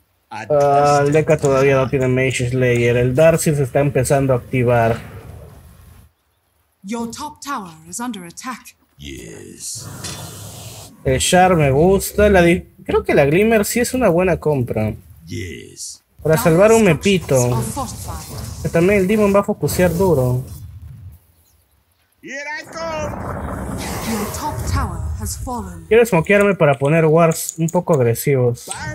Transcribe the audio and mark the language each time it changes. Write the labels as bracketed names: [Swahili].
[Spanish] El Deca todavía no tiene Mage Slayer. El Darcy se está empezando a activar. [English] Your top tower is under attack. Yes. [Spanish] El Shard me gusta. Creo que la Glimmer sí es una buena compra. [English] Yes. [Spanish] Para salvar un Mepito. Que también el Demon va a focusear duro. [English] Here I come. Your top tower has fallen. [Spanish] Quiero smokearme para poner wards un poco agresivos.